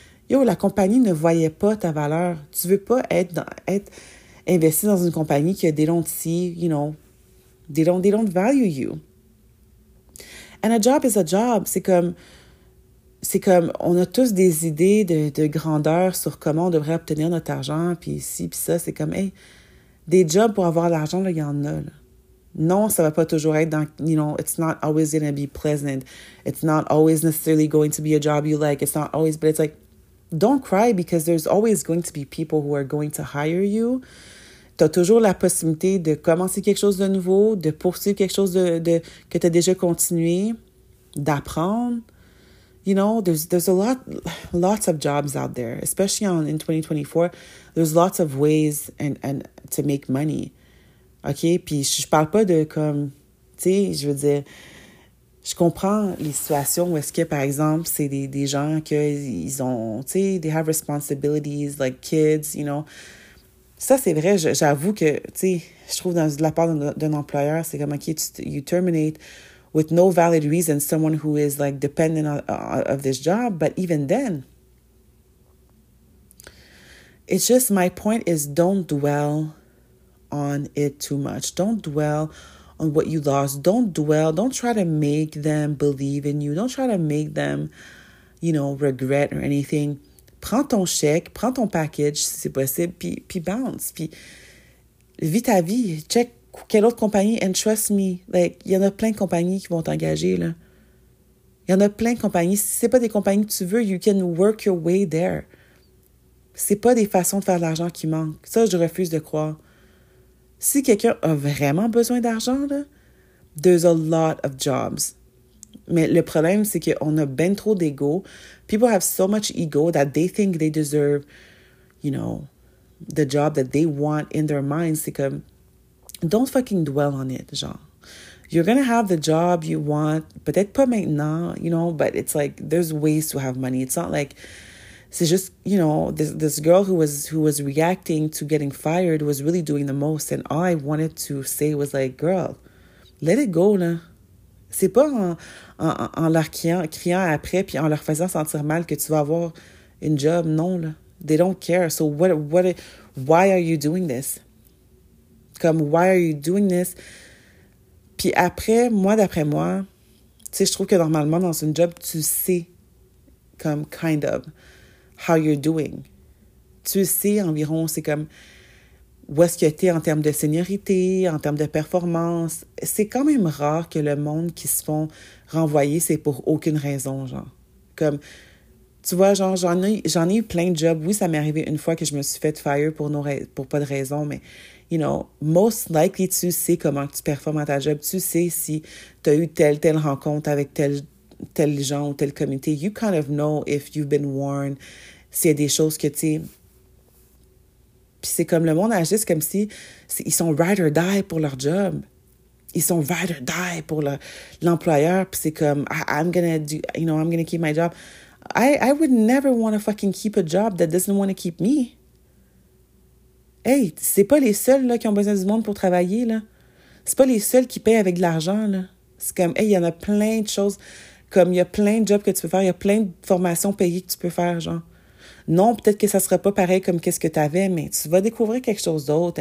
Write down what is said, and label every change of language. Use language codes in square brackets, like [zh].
[fr] Yo, la compagnie ne voyait pas ta valeur. Tu veux pas être investir dans une compagnie que [en] they don't see, you know, they don't value you. And a job is a job. [fr] C'est comme, on a tous des idées de grandeur sur comment on devrait obtenir notre argent, puis ici, puis ça, c'est comme, hey, des jobs pour avoir de l'argent, là, il y en a, là. Non, ça va pas toujours être dans, [en] you know, it's not always going to be pleasant. It's not always necessarily going to be a job you like. It's not always, but it's like, don't cry because there's always going to be people who are going to hire you. [fr] T'as toujours la possibilité de commencer quelque chose de nouveau, de poursuivre quelque chose de que t'as déjà continué, d'apprendre. [en] You know, there's a lots of jobs out there, especially in 2024. There's lots of ways and to make money. [fr] OK? Puis je parle pas de comme, tu sais, je veux dire, je comprends les situations où est-ce que, par exemple, c'est des gens que ils ont, tu sais, [en] they have responsibilities, like kids, you know. [fr] Ça, c'est vrai, j'avoue que, tu sais, je trouve dans la part d'un employeur, c'est comme, OK, [en] you terminate with no valid reason someone who is, like, dependent of this job. But even then, it's just, my point is, don't dwell on it too much. Don't dwell on what you lost. Don't dwell. Don't try to make them believe in you. Don't try to make them, you know, regret or anything. [fr] Prends ton chèque, prends ton package, si c'est possible, puis bounce. Puis vis ta vie. Check quelle autre compagnie. [en] And trust me, like, [fr] il y en a plein de compagnies qui vont t'engager, là. Il y en a plein de compagnies. Si c'est pas des compagnies que tu veux, [en] you can work your way there. [fr] C'est pas des façons de faire de l'argent qui manquent. Ça, je refuse de croire. Si quelqu'un a vraiment besoin d'argent, là, [en] there's a lot of jobs. [fr] Mais le problème, c'est qu'on a ben trop d'ego. [en] People have so much ego that they think they deserve, you know, the job that they want in their minds. [fr] C'est comme, [en] don't fucking dwell on it, genre. You're gonna have the job you want, [fr] peut-être pas maintenant, [en] you know, but it's like, there's ways to have money. It's not like, c'est just, you know, this girl who was reacting to getting fired was really doing the most. And all I wanted to say was like, girl, let it go, là. [fr] C'est pas en leur criant après puis en leur faisant sentir mal que tu vas avoir une job, non, là. [en] They don't care. So why are you doing this? [fr] Comme, [en] why are you doing this? [fr] Puis après, moi, d'après moi, tu sais, je trouve que normalement, dans une job, tu sais, comme, [en] kind of, how you're doing. [fr] Tu sais environ, c'est comme, où est-ce que t'es en termes de seniorité, en termes de performance. C'est quand même rare que le monde qui se font renvoyer, c'est pour aucune raison, genre. Comme, tu vois, genre, j'en ai eu plein de jobs. Oui, ça m'est arrivé une fois que je me suis fait fire pour pas de raison, mais, [en] you know, most likely, [fr] tu sais comment tu performes à ta job. Tu sais si tu as eu telle rencontre avec tel gens ou telle communauté. [en] You kind of know if you've been warned. [fr] S'il y a des choses que, tu sais... Puis c'est comme le monde agit comme si ils sont ride or die pour leur job. Ils sont ride or die pour l'employeur. Puis c'est comme, [en] I'm gonna keep my job. I would never want to fucking keep a job that doesn't want to keep me. [fr] Hey, c'est pas les seuls là, qui ont besoin du monde pour travailler. Là. C'est pas les seuls qui payent avec de l'argent. Là. C'est comme, hey, il y en a plein de choses. Comme, il y a plein de jobs que tu peux faire. Il y a plein de formations payées que tu peux faire, genre. Non, peut-être que ça sera pas pareil comme qu'est-ce que tu avais, mais tu vas découvrir quelque chose d'autre.